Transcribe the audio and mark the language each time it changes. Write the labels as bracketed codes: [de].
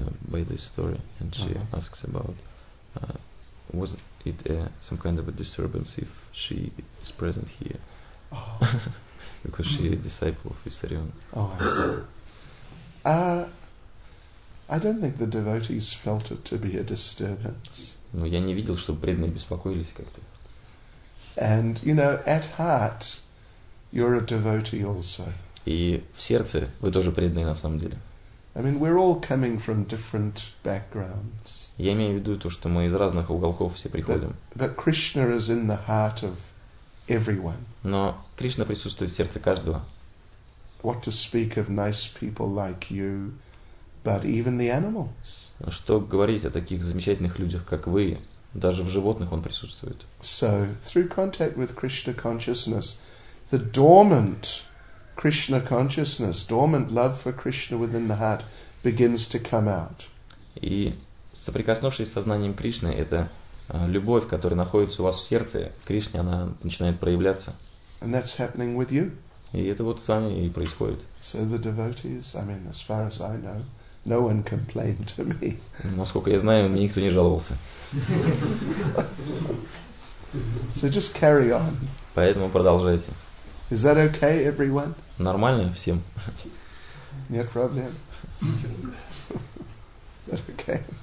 [en] By this story, and she asks about was it some kind of a disturbance if she is present here? Because she is a disciple of Vissarion. Oh, I see. I don't think the devotees felt it to be a disturbance. [ru] Но я не видел, чтобы преданные беспокоились как-то. [en] And you know, at heart, you're a devotee also. [ru] И в сердце вы тоже преданные на самом деле. [en] I mean, we're all coming from different backgrounds. [ru] Я имею в виду то, что мы из разных уголков все приходим. [en] But Krishna is in the heart of everyone. [ru] Но Кришна присутствует в сердце каждого. [en] What to speak of nice people like you, but even the animals. [ru] Что говорить о таких замечательных людях, как вы, даже в животных он присутствует. [en] So, through contact with Krishna consciousness, the dormant Krishna consciousness, dormant love for Krishna within the heart begins to come out. [ru] И соприкоснувшись с сознанием Кришны, это любовь, которая находится у вас в сердце, Кришне, она начинает проявляться. [en] And that's happening with you. [ru] И это вот с вами и происходит. [en] So the devotees, I mean, as far as I know, no one complained to me. [ru] Насколько я знаю, мне никто не жаловался. [en] So just carry on. [ru] Поэтому продолжайте. [en] Is that okay, everyone? [ru] Нормально всем. Нет проблем. [en] That's okay.